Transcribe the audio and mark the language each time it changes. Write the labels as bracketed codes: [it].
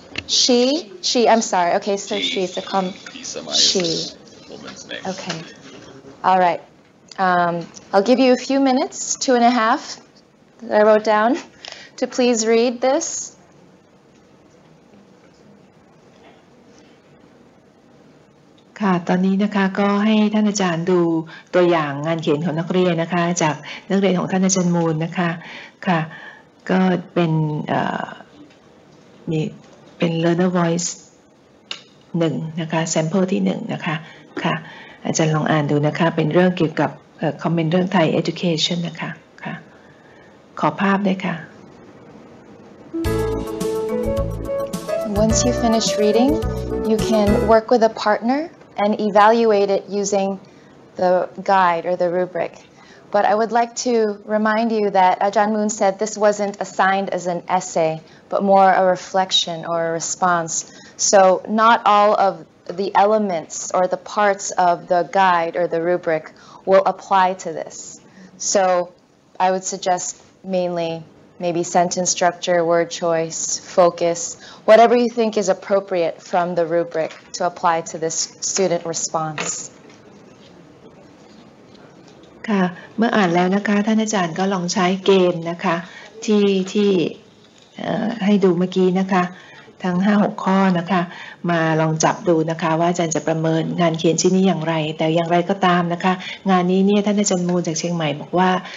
[en] She? She, I'm sorry. Okay, so she. She. So she. Okay. All right. I'll give you a few minutes, 2.5, that I wrote down, to please read this. [th] ค่ะตอนนี้นะคะก็ให้ท่านอาจารย์ดูตัวอย่างงานเขียนของนักเรียนนะคะจากนักเรียนของท่านอาจารย์มูลนะคะค่ะก็เป็นมีเป็น Learner Voice 1 นะคะ Sample ที่1 นะคะค่ะอาจารย์ลองอ่านดูนะคะเป็นเรื่องเกี่ยวกับคอมเมนต์เรื่องไทย Education นะคะค่ะขอภาพได้ค่ะ [en] Once you finish reading, you can work with a partner and evaluate it using the guide or the rubric. But I would like to remind you that Ajahn Moon said this wasn't assigned as an essay, but more a reflection or a response. So not all of the elements or the parts of the guide or the rubric will apply to this. So I would suggest mainly maybe sentence structure, word choice, focus, whatever you think is appropriate from the rubric to apply to this student response. [th] ค่ะเมื่ออ่านแล้วนะคะท่านอาจารย์ก็ลองใช้เกมนะคะที่ให้ดูเมื่อกี้นะคะทั้ง 5-6 ข้อนะคะมาลองจับดูนะคะว่าอาจารย์จะประเมินงานเขียนชิ้นนี้อย่างไรแต่อย่างไรก็ตามนะคะงานนี้เนี่ยท่านอาจารย์มูลจากเชียงใหม่บอกว่า